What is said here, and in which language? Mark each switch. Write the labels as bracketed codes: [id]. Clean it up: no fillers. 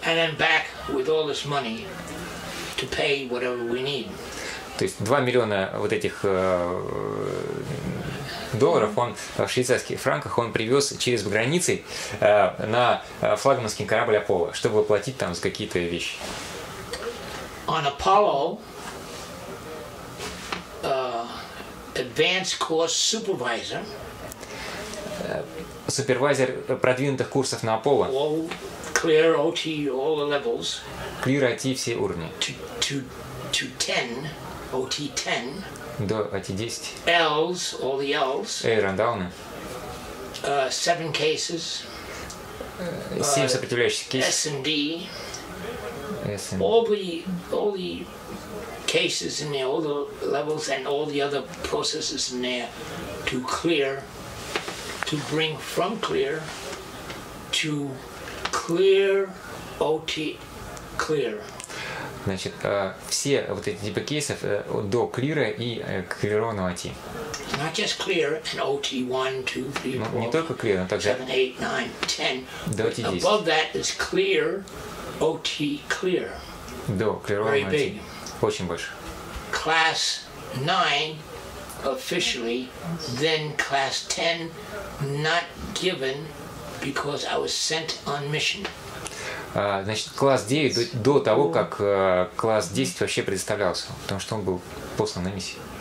[en] And then back with all this money to pay whatever we need. [ru] То есть 2 миллиона вот этих долларов он в швейцарских франках он привез через границы на флагманский корабль Аполло, чтобы платить там за какие-то вещи. [en] On Apollo, advanced course supervisor. [ru] Супервайзер продвинутых курсов на Аполло. [en] All clear OT, all the levels. [ru] Clear OT все уровни. [en] To 10, OT 10. [ru] До OT-10. [en] L's, all the L's. Air and down. 7 cases. [ru] 7 сопротивляющихся кейсов. [en] S&D. S&D. All the cases in there, all the levels and all the other processes in there to clear, to bring from clear to clear OT clear. [ru] Значит, все вот эти типы кейсов до клира и клированного OT. [en] Not just clear and OT 1, 2, 3, 4, [ru] не только clear, но также [en] 7, 8, 9, 10. [ru] До OT-10. [en] Above that is clear, OT clear. [ru] До клированного OT. Очень больше. [en] Class 9 officially, then class 10 not given because I was sent on mission. [ru] Значит, класс 9 до того, как класс 10 вообще предоставлялся, потому что он был послан на миссию.